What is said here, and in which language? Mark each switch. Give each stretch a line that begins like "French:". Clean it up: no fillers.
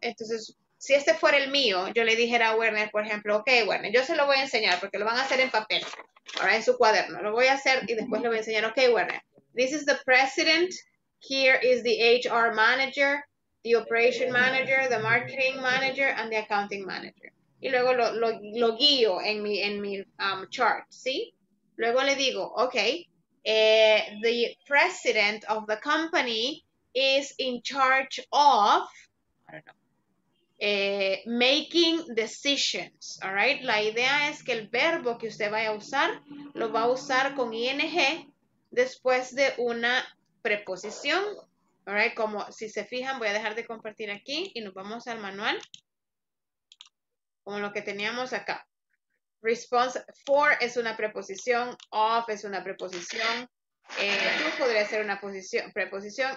Spanish: Entonces, si este fuera el mío, yo le dijera a Werner, por ejemplo, ok, Werner, yo se lo voy a enseñar porque lo van a hacer en papel, ahora en su cuaderno. Lo voy a hacer y después le voy a enseñar, ok,
English: Werner, this is the president, here is the HR manager, the operation manager, the marketing manager, and the accounting manager.
Spanish: Y luego lo guío en mi chart, ¿sí? Luego le digo,
English: ok, the president of the company is in charge of, making decisions, all right?
Spanish: La idea es que el verbo que usted vaya a usar, lo va a usar con ing después de una preposición,
English: all right?
Spanish: Como si se fijan, voy a dejar de compartir aquí y nos vamos al manual. Como lo que teníamos acá. Response for es una preposición, of es una preposición, to podría ser una preposición.